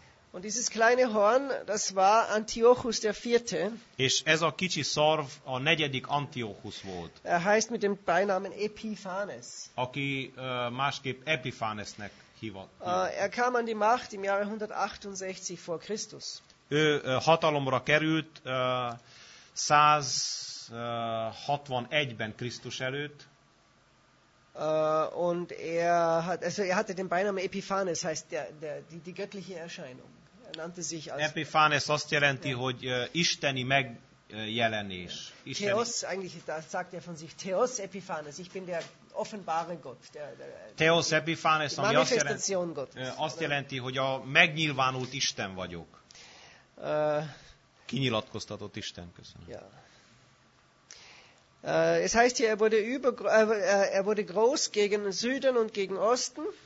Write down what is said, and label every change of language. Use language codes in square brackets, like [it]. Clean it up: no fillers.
[de] Und dieses kleine Horn, das war Antiochus der Vierte. [hu] És ez a kicsi szarv a negyedik Antiochus volt. [de] Er heißt mit dem Beinamen Epiphanes. [hu] Aki másképp Epiphanesnek hívott. [de] Er kam an die Macht im Jahre 168 vor Christus. [hu] Ő hatalomra került 161-ben Krisztus előtt. [de] Und er hat, also er hatte den Beinamen Epiphanes, heißt die göttliche Erscheinung. Er nannte sich als [hu] Epiphanes azt jelenti, hogy isteni megjelenés. Isteni. [de] Theos, eigentlich sagt er von sich Theos Epiphanes, ich bin der offenbare Gott. Theos Epiphanes, [hu] ami azt jelenti, Gott, azt jelenti, hogy a megnyilvánult Isten vagyok. Kinyilatkoztatott Isten, köszönöm. [de] Ja. Es heißt hier, er wurde groß gegen Süden und gegen Osten.